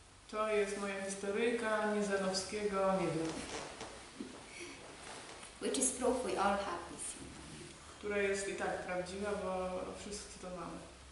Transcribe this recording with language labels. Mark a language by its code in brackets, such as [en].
[pl] To jest moja historyjka nie Zenowskiego, nie wiem. [en] Which is proof we all have this. [pl] Która jest i tak prawdziwa, bo wszyscy to mamy.